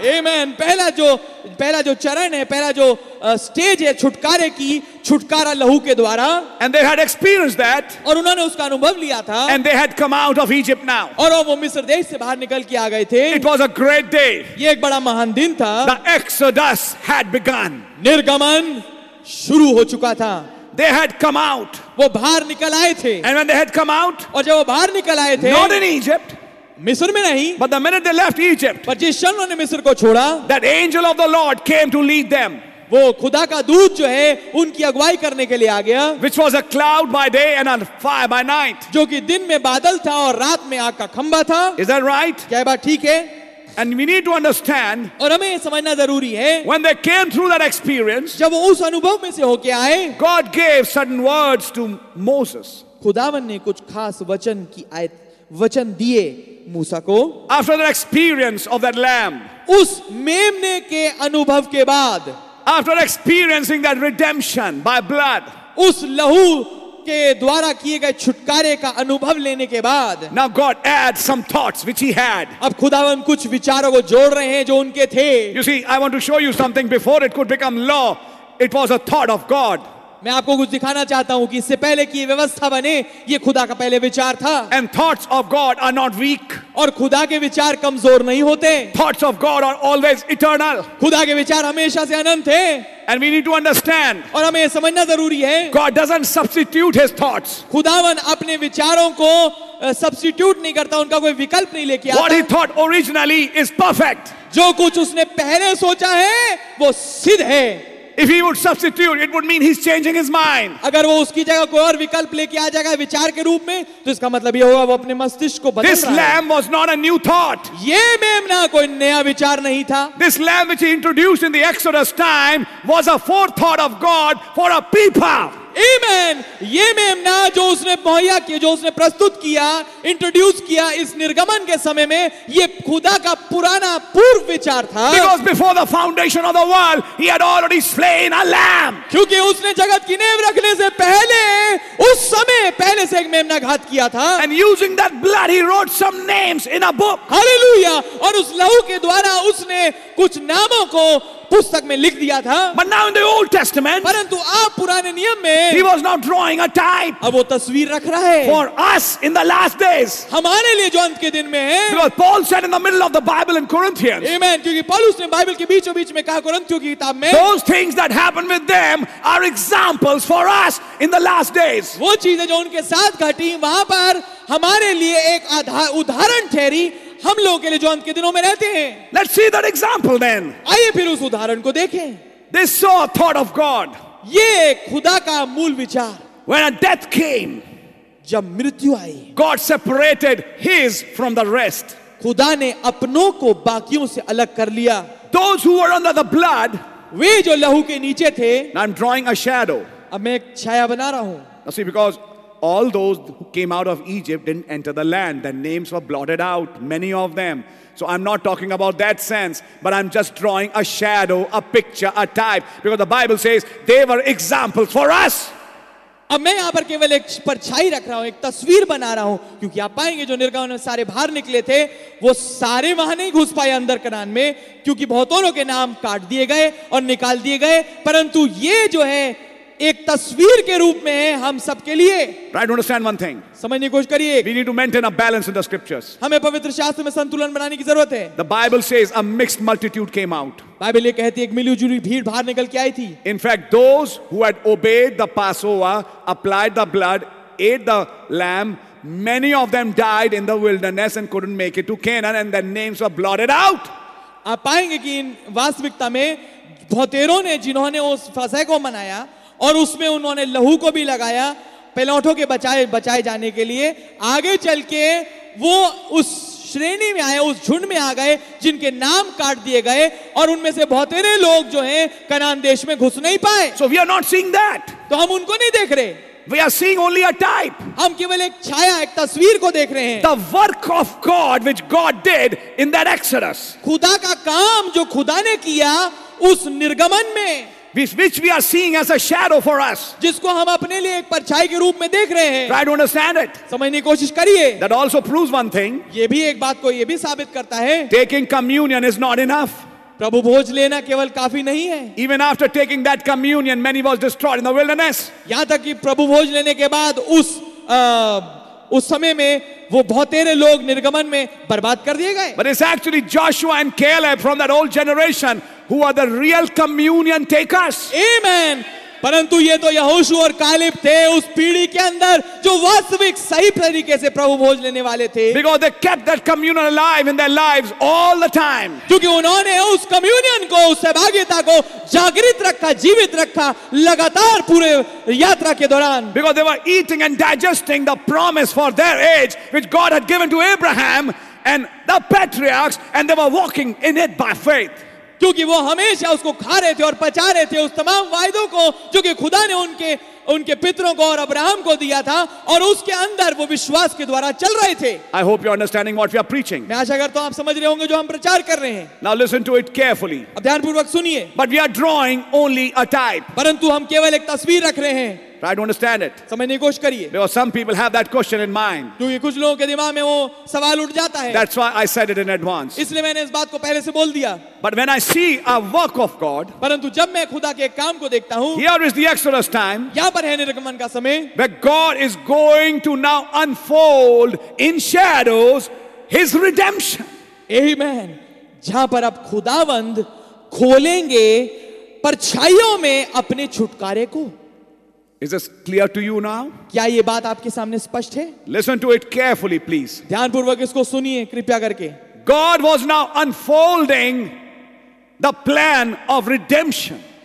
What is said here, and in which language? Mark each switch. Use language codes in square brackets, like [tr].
[en] Amen. [hi] पहला जो चरण है, पहला जो स्टेज है छुटकारे की, छुटकारा लहू के द्वारा. [en] And they had experienced that. [hi] और उन्होंने उसका अनुभव लिया था. [en] And they had come out of Egypt now. [hi] और वो मिस्र देश से बाहर निकल के आ गए थे. [en] It was a great day. [hi] ये एक बड़ा महान दिन था. [en] The exodus had begun. [hi] निर्गमन शुरू हो चुका था. [en] They had come out. [hi] वो बाहर निकल आए थे. [en] And when they had come out, [hi] और जब वो बाहर निकल आए थे, [en] not in Egypt, [hi] मिस्र में नहीं, [en] but the minute they left Egypt, [hi] पर जिस क्षण उन्होंने मिस्र को छोड़ा, [en] that angel of the Lord came to lead them. [hi] वो खुदा का दूत जो है उनकी अगुवाई करने के लिए आ गया. [en] Which was a cloud by day and a fire by night. [hi] जो कि दिन में बादल था और रात में आग का खंबा था. [en] Is that right? [hi] क्या बात, ठीक है? [en] And we need to understand, [hi] और हमें समझना जरूरी है, [en] when they came through that experience, [hi] जब वो उस अनुभव में से होके आए, [en] God gave certain words to Moses. [hi] खुदावन ने कुछ खास वचन की आयत, वचन दिए मूसा को. [en] After the experience of that lamb, [hi] उस मेमने के अनुभव के बाद, [en] after experiencing that redemption by blood, [hi] उस लहू के द्वारा किए गए छुटकारे का अनुभव लेने के बाद, [en] Now God adds some thoughts which he had. [hi] अब खुदावन कुछ विचारों को जोड़ रहे हैं जो उनके थे. [en] You see, I want to show you something before it could become law. It was a thought of God. [hi] मैं आपको कुछ दिखाना चाहता हूँ कि इससे पहले कि ये व्यवस्था बने, ये खुदा का पहले विचार था. [en] And thoughts of God are not weak. [hi] और खुदा के विचार कमजोर नहीं होते. [en] Thoughts of God are always eternal. [hi] खुदा के विचार हमेशा से अनंत हैं. [en] And we need to understand. [hi] और हमें ये समझना जरूरी है. [en] God doesn't substitute his thoughts. [hi] खुदावन अपने विचारों को substitute नहीं करता, उनका कोई विकल्प नहीं लेके आता. [en] What he thought originally is perfect. [hi] जो कुछ उसने पहले सोचा है वो सिद्ध है. [en] If he would substitute, it would mean he's changing his mind. [hi] अगर वो उसकी जगह कोई और विकल्प लेके आ जाएगा विचार के रूप में, तो इसका मतलब ये होगा वो अपने मस्तिष्क को बदल रहा है. [en] This lamb was not a new thought. [hi] ये मेमना कोई नया विचार नहीं था. [en] This lamb which he introduced in the Exodus time was a forethought of God for a people. Amen. [hi] ये मेमना जो उसने मुहैया किया, जो उसने प्रस्तुत किया, इंट्रोड्यूस किया इस निर्गमन के समय में, ये खुदा का पुराना पूर्व विचार था. [en] Because before the foundation of the world, he had already slain a lamb. [hi] क्योंकि उसने जगत की नींव रखने से पहले, उस समय पहले से एक मेमना घात किया था. [en] And using that blood, he wrote some names in a book. Hallelujah. [hi] और उस लहू के द्वारा उसने कुछ नामों को पुस्तक में लिख दिया था. [en] But now in the Old Testament, [hi] परंतु आप पुराने नियम में, [en] he was now drawing a type. [hi] अब वो तस्वीर रख रहा है. [en] For us in the last days, [hi] हमारे लिए जो अंत के दिन में है. [en] Because Paul said in the middle of the Bible in Corinthians, Amen. [hi] क्योंकि पौलुस ने बाइबल के बीचों बीच में कहा कुरिन्थियों की किताब में, [en] those things that happened with them are examples for us in the last days. [hi] वो चीजें जो उनके साथ घटी वहाँ पर हमारे लिए एक उदाहरण ठहरी. हम लोगों के लिए जो अंत के दिनों में रहते हैं. [en] Let's see that example then. [hi] आइए फिर उस उदाहरण को देखें. [en] They saw a thought of God. [hi] ये खुदा का मूल विचार. [en] When a death came, [hi] जब मृत्यु आई, [en] God separated his from the rest. [hi] खुदा ने अपनों को बाकियों से अलग कर लिया. [en] Those who were under the blood, [hi] वे जो लहू के नीचे थे. [en] Now I'm drawing a shadow. [hi] अब मैं एक छाया बना रहा हूं. [en] Now see, because all those who came out of Egypt didn't enter the land. Their names were blotted out, many of them. So I'm not talking about that sense, but I'm just drawing a shadow, a picture, a type. Because the Bible says they were examples for us. [hi] अब मैं यहाँ पर केवल एक परछाई रख रहा हूँ, एक तस्वीर बना रहा हूँ, क्योंकि आप पाएंगे जो निर्गमन में सारे बाहर निकले थे, वो सारे वहां नहीं घुस पाए अंदर कनान में, क्योंकि बहुतों के नाम काट दिए गए और निकाल दिए गए, परंतु ये जो है एक तस्वीर के रूप में है हम सबके लिए. [en] Right, understand one thing. [hi] समझने की कोशिश करिए. [en] We need to maintain a balance in the scriptures. [hi] हमें पवित्र शास्त्र में संतुलन बनाने की जरूरत है. [en] The Bible says a mixed multitude came out. [hi] Bible ये कहती है एक मिलीजुली भीड़ बाहर निकल के आई थी. [en] In fact, those who had obeyed the Passover, applied the blood, ate the lamb, many of them died in the wilderness and couldn't make it to Canaan, and their names were blotted out. [hi] आप पाएंगे कि इन वास्तविकता में बहुतेरों ने जिन्होंने उस फसह को मनाया और उसमें उन्होंने लहू को भी लगाया पेलौठों के बचाए जाने के लिए, आगे चल के वो उस श्रेणी में आए, उस झुंड में आ गए जिनके नाम काट दिए गए, और उनमें से बहुत सारे लोग जो हैं कनान देश में घुस नहीं पाए. [en] So we are not seeing that. [hi] तो हम उनको नहीं देख रहे. [en] We are seeing only a type. [hi] हम केवल एक छाया, एक तस्वीर को देख रहे हैं. [en] The work of God which God did in that Exodus. [hi] खुदा का काम जो खुदा ने किया उस निर्गमन में. [en] Which we are seeing as a shadow for us. [hi] जिसको हम अपने लिए एक परछाई के रूप में देख रहे हैं. [en] Try to understand it. [hi] समझने की कोशिश करिए. [en] That also proves one thing. [hi] ये भी एक बात को ये भी साबित करता है. [en] Taking communion is not enough. [hi] प्रभु भोज लेना केवल काफी नहीं है. [en] Even after taking that communion, many was destroyed in the wilderness. [hi] यहाँ तक कि प्रभु भोज लेने के बाद उस समय में वो बहुत सारे लोग निर्गमन में बर्बाद कर दिए गए. [en] But it's actually Joshua and Caleb from that old generation who are the real communion takers. Amen. [hi] परंतु ये तो यहोशू और कालिब थे उस पीढ़ी के अंदर जो वास्तविक सही तरीके से प्रभु भोज लेने वाले थे. [en] Because they kept that communion alive in their lives all the time. [hi] क्योंकि उन्होंने उस कम्युनियन को, उस सहभागिता को जागृत रखा, जीवित रखा लगातार पूरे यात्रा के दौरान. [en] Because they were eating and digesting the promise for their age which God had given to Abraham and the patriarchs, and they were walking in it by faith. [hi] क्योंकि वो हमेशा उसको खा रहे थे और पचा रहे थे, उस तमाम वायदों को जो कि खुदा ने उनके उनके पितरों को और अब्राहम को दिया था, और उसके अंदर वो विश्वास के द्वारा चल रहे थे. [en] I hope you're understanding what we are preaching. [hi] मैं आशा करता हूं आप समझ रहे होंगे जो हम प्रचार कर रहे हैं. [en] Now listen to it carefully. [hi] अब ध्यानपूर्वक सुनिए. [en] But we are drawing only a type. [hi] परंतु हम केवल एक तस्वीर रख रहे हैं. [en] Try to understand it. [hi] समझने की कोशिश करिए. [en] Because some people have that question in mind. [hi] क्योंकि कुछ लोगों के दिमाग में वो सवाल उठ जाता है. [en] That's why I said it in advance. [hi] इसलिए मैंने इस बात को पहले से बोल दिया. [en] But when I see a work of God, [hi] परंतु जब मैं खुदा के काम को देखता हूँ, [en] here is the Exodus time. [hi] यहाँ पर है निर्गमन का समय. [en] Where God is going to now unfold in shadows His redemption. Amen. [hi] जहाँ पर अब खुदावंद खोलेंगे परछाइयों में अपने छुटकारे को. [en] Is this clear to you now? [hi] क्या ये बात आपके सामने स्पष्ट है? [en] Listen to it carefully, please. [hi] ध्यानपूर्वक इसको सुनिए कृपया करके. [en] God was now unfolding the plan of redemption.